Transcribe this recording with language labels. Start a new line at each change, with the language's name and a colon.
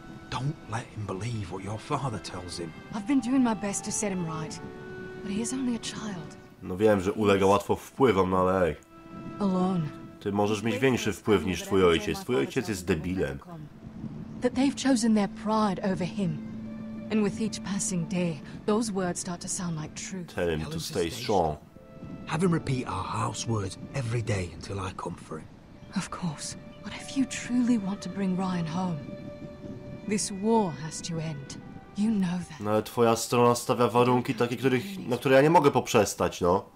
English: Don't let him believe what your father tells him. I've been doing my best to set him right, but he is only a child.
Polish: No wiem, że ulega łatwo wpływom, no ale ej.
English: Alone.
Polish: Ty możesz mieć większy wpływ niż twój ojciec. Twój ojciec jest debilem.
English: That they've chosen their pride over him. And with each passing day, those words start to sound like truth. Tell him to stay strong. Have him repeat our house words every day until I come for him. Of course. But if you truly want to bring Ryan home, this war has to end. You know that.
Polish: No, twoja strona stawia warunki takie, których, na które ja nie mogę poprzestać, no.